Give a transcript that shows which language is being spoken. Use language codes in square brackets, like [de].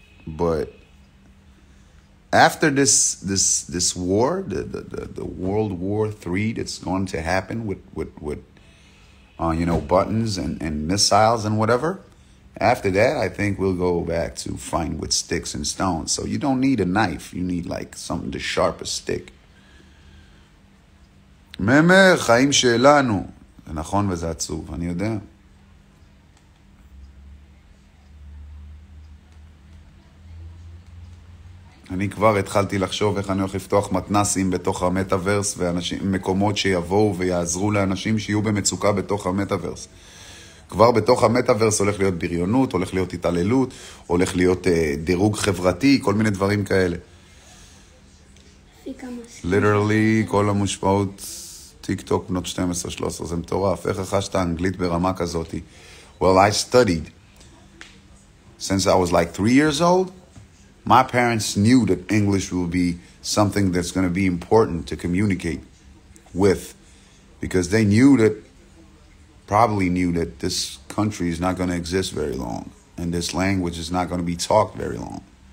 [en] But after this war, the World War III that's going to happen with you know, buttons and missiles and whatever, after that, I think we'll go back to fighting with sticks and stones. So you don't need a knife. You need, like, something to sharpen a stick. [he] ממר, חיים שלנו. זה נכון וזה עצוב, אני יודע. אני כבר התחלתי לחשוב איך אני הולך לפתוח מתנסים בתוך המטאברס, ומקומות שיבואו ויעזרו לאנשים שיהיו במצוקה בתוך המטאברס. כבר בתוך המטאברס הולך להיות בריונות, הולך להיות התעללות, הולך להיות דירוג חברתי, כל מיני דברים כאלה. ליטרלי, כל המושפעות טיק טוק בנות 12-13, זה מטורף. איך רכשת אנגלית ברמה כזאת? [en] Well, I studied. Since I was like 3 years old, my parents knew that English will be something that's going to be important to communicate with, because they knew that, probably knew that this country is not going to exist very long, and this language is not going to be talked very long.